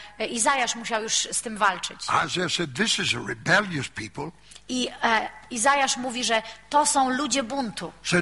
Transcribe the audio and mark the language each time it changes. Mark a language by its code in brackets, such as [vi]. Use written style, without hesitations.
[pl] Izajasz musiał już z tym walczyć. [en] Isaiah said, this is a rebellious people. [pl] I Izajasz mówi, że to są ludzie buntu.